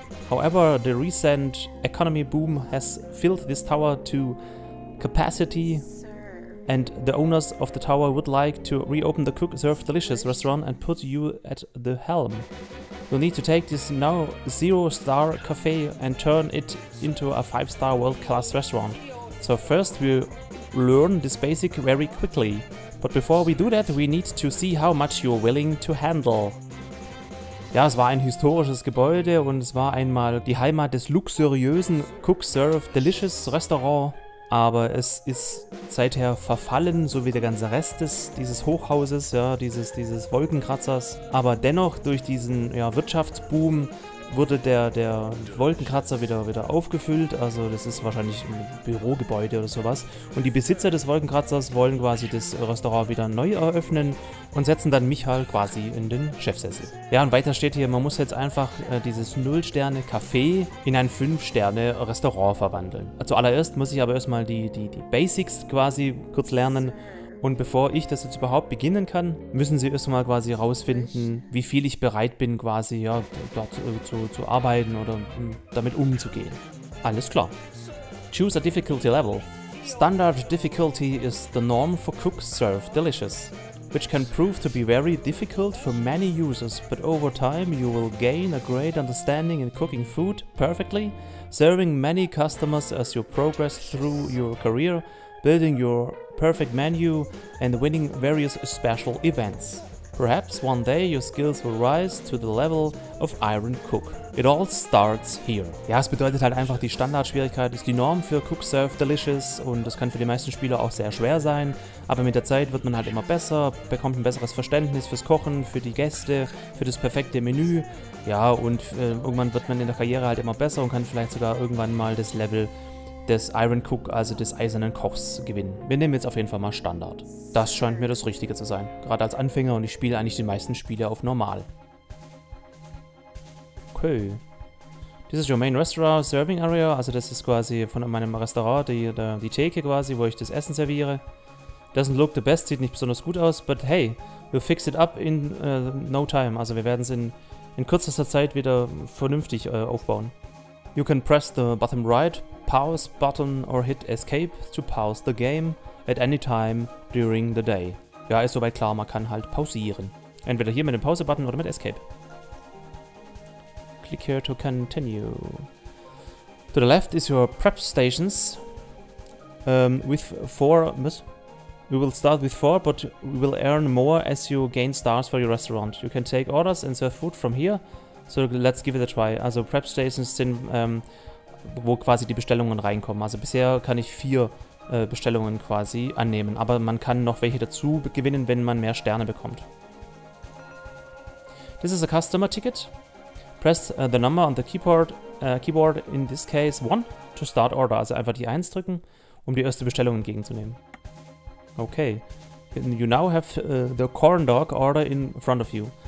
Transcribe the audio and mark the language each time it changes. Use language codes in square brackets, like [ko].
[en] However, the recent economy boom has filled this tower to capacity and the owners of the tower would like to reopen the Cook Serve Delicious restaurant and put you at the helm. You'll need to take this now zero-star cafe and turn it into a five-star world-class restaurant. So first we learn this basic very quickly. But before we do that, we need to see how much you're willing to handle. [de] Ja, es war ein historisches Gebäude und es war einmal die Heimat des luxuriösen Cook Serve Delicious Restaurant. Aber es ist seither verfallen, so wie der ganze Rest dieses Hochhauses, ja, dieses Wolkenkratzers. Aber dennoch, durch diesen ja, Wirtschaftsboom wurde der Wolkenkratzer wieder aufgefüllt. Also das ist wahrscheinlich ein Bürogebäude oder sowas. Und die Besitzer des Wolkenkratzers wollen quasi das Restaurant wieder neu eröffnen und setzen dann mich halt quasi in den Chefsessel. Ja, und weiter steht hier, man muss jetzt einfach dieses 0-Sterne-Café in ein 5-Sterne-Restaurant verwandeln. Zuallererst muss ich aber erstmal die Basics quasi kurz lernen. Und bevor ich das jetzt überhaupt beginnen kann, müssen sie erstmal quasi rausfinden, wie viel ich bereit bin, quasi ja, dort zu arbeiten oder damit umzugehen. Alles klar. [en] Choose a difficulty level. Standard difficulty is the norm for Cook Serve Delicious, which can prove to be very difficult for many users, but over time you will gain a great understanding in cooking food perfectly, serving many customers as you progress through your career, building your perfect menu and winning various special events. Perhaps one day your skills will rise to the level of Iron Cook. It all starts here. [de] Ja, es bedeutet halt einfach, die Standardschwierigkeit ist die Norm für Cook Serve Delicious und das kann für die meisten Spieler auch sehr schwer sein. Aber mit der Zeit wird man halt immer besser, bekommt ein besseres Verständnis fürs Kochen, für die Gäste, für das perfekte Menü. Ja, und irgendwann wird man in der Karriere halt immer besser und kann vielleicht sogar irgendwann mal das Level des Iron Cook, also des Eisernen Kochs, gewinnen. Wir nehmen jetzt auf jeden Fall mal Standard. Das scheint mir das Richtige zu sein. Gerade als Anfänger und ich spiele eigentlich die meisten Spiele auf Normal. [en] Okay. This is your main restaurant serving area. [de] Also das ist quasi von meinem Restaurant, die Theke quasi, wo ich das Essen serviere. [en] Doesn't look the best, [de] sieht nicht besonders gut aus. [en] But hey, we'll fix it up in no time. [de] Also wir werden es in in kürzester Zeit wieder vernünftig aufbauen. [en] You can press the bottom right pause button or hit escape to pause the game at any time during the day. [de] Ja, ist soweit klar, man kann halt pausieren. Entweder hier mit dem Pause-Button oder mit Escape. [en] Click here to continue. To the left is your prep stations. With four, we will start with four, but we will earn more as you gain stars for your restaurant. You can take orders and serve food from here. So let's give it a try. [de] Also Prep Stations sind, wo quasi die Bestellungen reinkommen. Also bisher kann ich vier Bestellungen quasi annehmen. Aber man kann noch welche dazu gewinnen, wenn man mehr Sterne bekommt. [en] This is a customer ticket. Press the number on the keyboard, in this case 1, to start order. [de] Also einfach die 1 drücken, um die erste Bestellung entgegenzunehmen. [en] Okay. You now have the corn dog order in front of you.